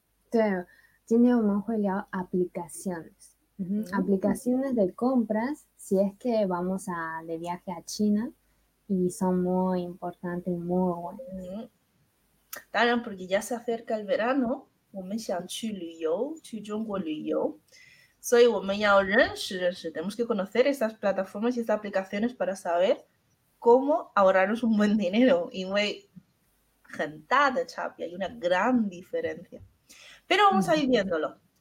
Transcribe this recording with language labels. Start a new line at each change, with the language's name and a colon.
Chinese: 对，今天我们会聊 aplicaciones.
Spanish: Aplicaciones de compras, si es que vamos a de viaje a China, y son muy importantes, muy buenas.
Chinese: 当然，
Spanish: porque ya se acerca el verano,
Chinese: 我们想去旅游，去中国旅游。所以我们要认识
Spanish: tenemos que conocer esas plataformas y esas aplicaciones para saber cómo ahorrarnos un buen dinero, porque hay una gran diferencia, pero vamos a ir viéndolo.